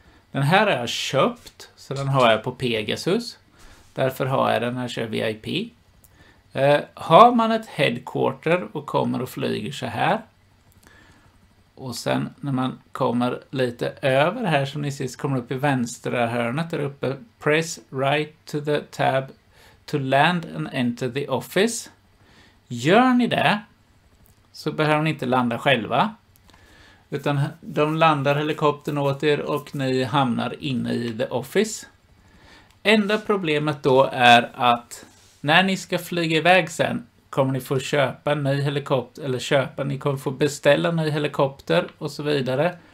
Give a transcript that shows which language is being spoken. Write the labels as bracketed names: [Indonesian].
[Swedish] Den här har jag köpt, så den har jag på Pegasus. Därför har jag den här, kör VIP. Har man ett headquarter och kommer och flyger så här. Och sen när man kommer lite över här som ni ser, så kommer upp i vänstra hörnet där uppe. [English] Press right to the tab to land and enter the office. [Swedish] Gör ni det så behöver ni inte landa själva. Utan de landar helikoptern åt er och ni hamnar inne i the office. Enda problemet då är att när ni ska flyga iväg sen. Kommer ni få köpa en ny helikopter eller köpa, ni kommer få beställa en ny helikopter och så vidare.